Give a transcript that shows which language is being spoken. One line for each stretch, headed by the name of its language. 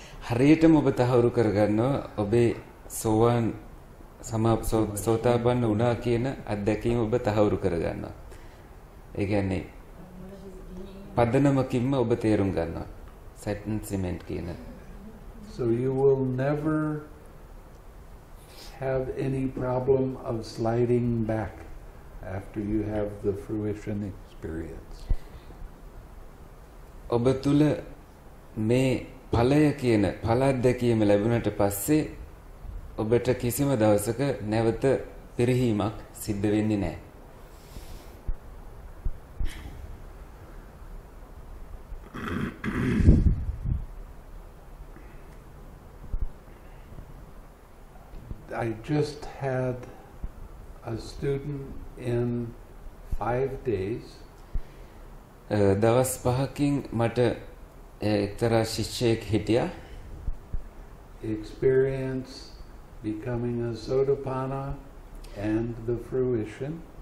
Sinhala: හරියටම ඔබ තහවුරු කරගන්නවා ඔබේ සෝවන් සෝතාපන්න වුණා කියන අත්දැකීම ඔබ තහවුරු කරගන්නවා. ඒ කියන්නේ පදනමකින්ම ඔබ තේරුම් ගන්නවා සැටන් සිමෙන්ට් කියන.
English: So you will never have any problem of sliding back after you have the fruition experience.
Sinhala: ඔබ තුල මේ ඵලය කියන ඵල අත්දැකීම ලැබුණට පස්සේ ඔබට කිසිම දවසක නැවත පිරිහීමක් සිද්ධ වෙන්නේ නැහැ.
English: I just had a student in 5 days.
Sinhala: දවස් පහකින් මට එක්තරා ශිෂ්‍යයෙක් හිටියා.
English: Experience becoming a sotapanna and the fruition.